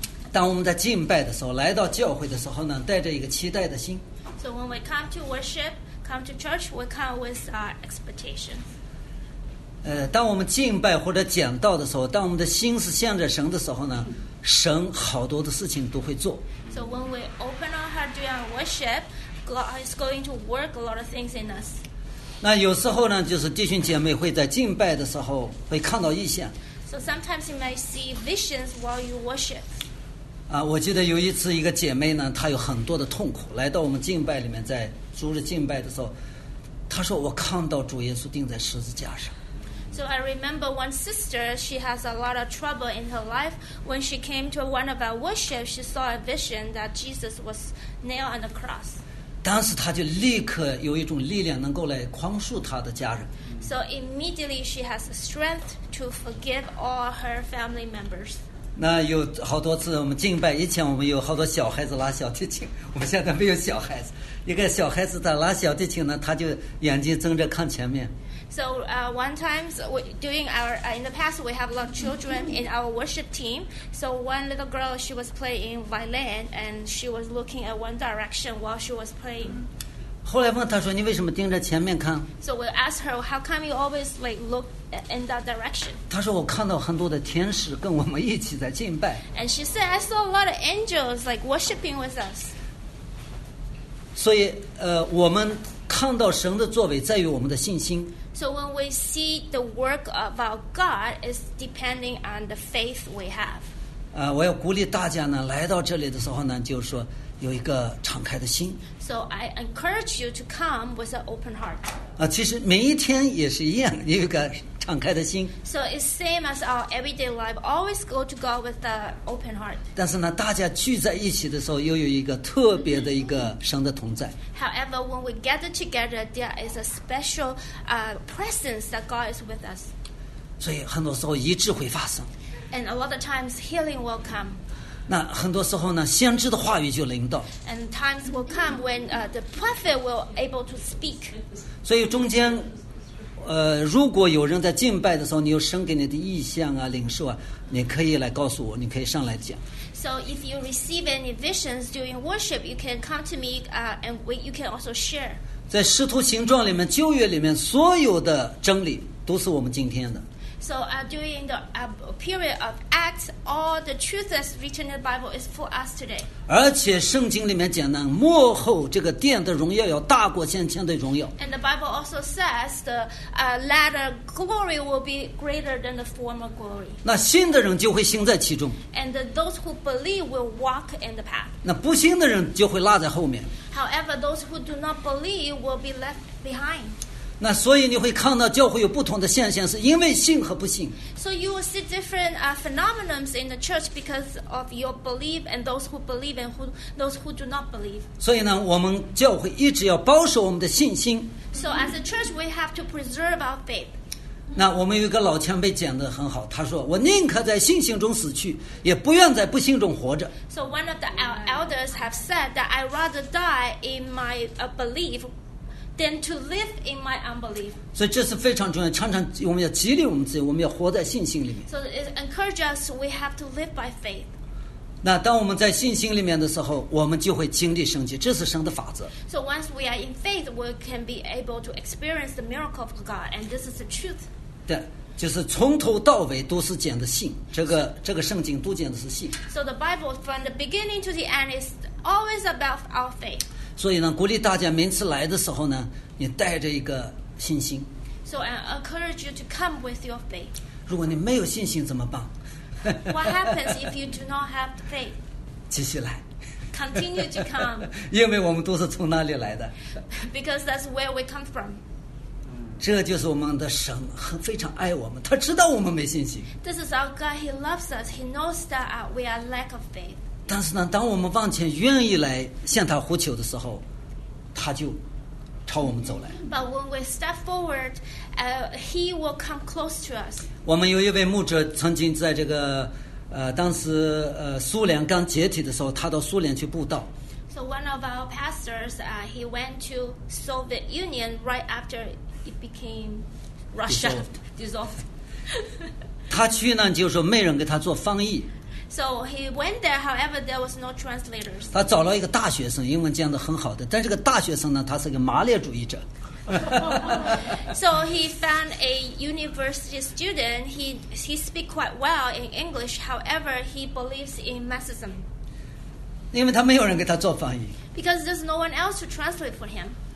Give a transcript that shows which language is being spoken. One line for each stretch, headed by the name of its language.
Chinese: 当我们在敬拜的时候，来到教会的时候呢，带着一个期待的心。
English: So when we come to worship, come to church, we come with our expectations.
Chinese: 当我们敬拜或者讲道的时候，当我们的心是向着神的时候呢，神好多的事情都会做。
English: So when we open our heart during our worship, God is going to work a lot of things in us.
Chinese: 那有时候呢，就是弟兄姐妹会在敬拜的时候会看到异象。
English: So sometimes you may see visions while you worship.
Chinese: 我记得有一次一个姐妹呢，她有很多的痛苦，来到我们敬拜里面，在主日敬拜的时候，她说我看到主耶稣钉在十字架上。
English: So I remember one sister, she has a lot of trouble in her life. When she came to one of our worship, she saw a vision that Jesus was nailed on the cross.
Chinese: 当时她就立刻有一种力量能够来宽恕她的家人。
English: So immediately she has the strength to forgive all her family members.
Chinese: 那有好多次我们敬拜，以前我们有好多小孩子拉小提琴，我们现在没有小孩子。一个小孩子在拉小提琴呢，他就眼睛睁着看前面。
English: So, one time in the past we have a lot of children in our worship team. So one little girl, she was playing violin and she was looking at one direction while she was playing.
Chinese: 后来问她说：“你为什么盯着前面看？”
English: So we asked her, "How come you always like look?" In that direction.
Chinese: 她说我看到很多的天使跟我们一起在敬拜。
English: And she said, I saw a lot of angels like worshiping with us.
Chinese: 所以，我们看到神的作为在于我们的信心。
English: So when we see the work of our God, it's depending on the faith we have.
Chinese: 我要鼓励大家呢，来到这里的时候呢，就是说有一个敞开的心。
English: So I encourage you to come with an open heart.
Chinese: 其实每一天也是一样，有一个。敞开的心。
English: So it's same as our everyday life. Always go to God with an open heart.
Chinese: 但是呢，大家聚在一起的时候，又有一个特别的一个神的同在。
English: However, when we gather together, there is a special presence that God is with us.
Chinese: 所以很多时候医治会发生。
English: And a lot of times healing will come.
Chinese: 那很多时候呢，先知的话语就临到。
English: And times will come when the prophet will able to speak.
Chinese: 所以中间。如果有人在敬拜的时候，你有神给你的异象啊、领受啊，你可以来告诉我，你可以上来讲。
English: So if you receive any visions during worship, you can come to me, and you can also share.
Chinese: 在使徒行传里面、旧约里面，所有的真理都是我们今天的。
English: So during the period of Acts, all the truth that's written in the Bible is for us today.
Chinese: 而且圣经里面讲呢，幕后这个殿的荣耀要大过先前的荣耀。
English: And the Bible also says the latter glory will be greater than the former glory.
Chinese: 那信的人就会行在其中。
English: And those who believe will walk in the path.
Chinese: 那不信的人就会落在后面。
English: However, those who do not believe will be left behind.
Chinese: 那所以你会看到教会有不同的现象，是因为信和不信。
English: So you will see different phenomena in the church because of your belief and those who believe and those who do not believe.
Chinese: 所以呢，我们教会一直要保守我们的信心。
English: So as a church, we have to preserve our faith.
Chinese: 那我们有一个老前辈讲得很好，他说：“我宁可在信心中死去，也不愿在不信中活着。”
English: So one of the elders have said that I rather die in my belief. Than to live in my unbelief.
Chinese: 所以这是非常重要，常常我们要激励我们自己，我们要活在信心里面。
English: So it encourages us, we have to live by faith.
Chinese: 那当我们在信心里面的时候，我们就会经历神迹，这是神的法则。
English: So once we are in faith, we can be able to experience the miracle of God, and this is the truth.
Chinese: 对，就是从头到尾都是讲的信，这个圣经都讲的是信。
English: So the Bible from the beginning to the end is always about our faith.
Chinese: 所以呢，鼓励大家每次来的时候呢，你带着一个信心。
English: So I encourage you to come with your faith.
Chinese: 如果你没有信心怎么办
English: ？What happens if you do not have the faith?
Chinese: 继续来。
English: Continue to come.
Chinese: 因为我们都是从那里来的。
English: Because that's where we come from.
Chinese: 这就是我们的神，非常爱我们，他知道我们没信心。
English: This is our God. He loves us. He knows that we are lack of faith.
Chinese: 但是呢，当我们往前愿意来向他呼求的时候，他就朝我们走来。
English: But when we step forward, he will come close to us.
Chinese: 我们有一位牧者曾经在这个当时苏联刚解体的时候，他到苏联去布道。
English: So one of our pastors, he went to Soviet Union right after it became Russia dissolved.
Chinese: 他去呢，就是没人给他做翻译。
English: So he went there, however, there was no translators.
Chinese: 他找了一个大学生，英文讲得很好的，但这个大学生呢，他是个马列主义者。
English: So he found a university student. He speaks quite well in English. However, he believes in Marxism.
Chinese: 因为他没有人给他做翻译。
English: Because there's no one else to translate for him.